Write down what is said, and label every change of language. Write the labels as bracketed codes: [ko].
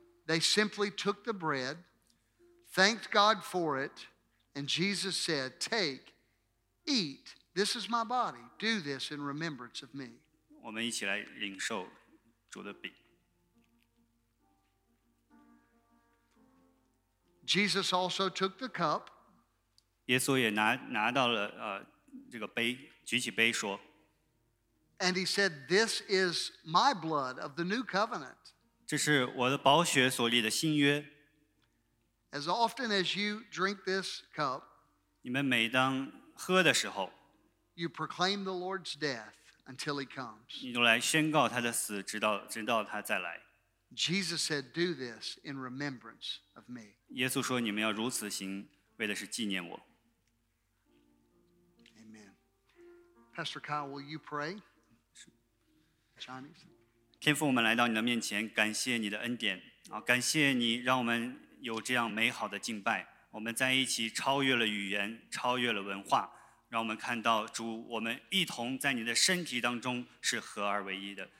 [en] They simply took the bread, thanked God for it, and Jesus said, take, eat, this is my body. Do this in remembrance of me. [zh] 我们一起来领受主的饼。 [en] Jesus also took the cup. [zh] 耶稣也拿到了这个杯，举起杯说。 [en] And he said, this is my blood of the new covenant. [zh] 这是我的宝血所立的新约。 [en] As often as you drink this cup, [zh] 你们每当喝的时候， [en] you proclaim the Lord's death until he comes. [zh] 你就来宣告他的死，直到他再来。 [en] Jesus said, do this in remembrance of me. [zh] 耶稣说你们要如此行，为的是纪念我。 [en] Amen. Pastor Kyle, will you pray? Johnny's. [zh] 天父，我们来到你的面前，感谢你的恩典，感谢你让我们有这样美好的敬拜，我们在一起超越了语言，超越了文化，让我们看到主，我们一同在你的身体当中是合而为一的。